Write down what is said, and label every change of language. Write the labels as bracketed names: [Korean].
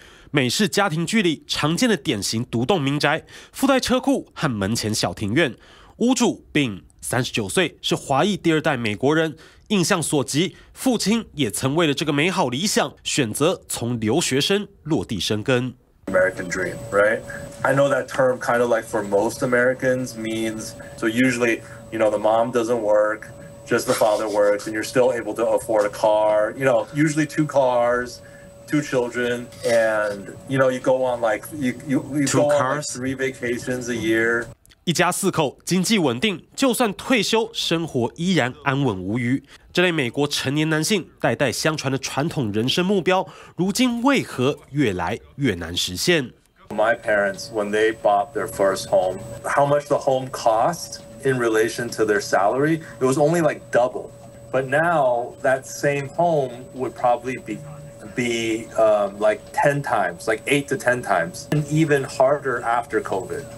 [Chinese] 美式家庭剧里常见的典型独栋民宅，附带车库和门前小庭院，屋主并39岁，是华裔第二代美国人，印象所及，父亲也曾为了这个美好理想选择从留学生落地生根。 [English] American dream, right? I know that term kind of like for most Americans means, so usually, you know, the mom doesn't work, just the father works, and you're still able to afford a car, you know, usually 2 cars, 2 children, and, you know, you go on like, you go on like 3 vacations a year. [Chinese] 一家四口经济稳定，就算退休生活依然安稳无余。这类美国成年男性代代相传的传统人生目标，如今为何越来越难实现？ [English] My parents, when they bought their first home, how much the home cost in relation to their salary, it was only like double. But now that same home would probably be like 10 times, like 8 to 10 times, and even harder after COVID.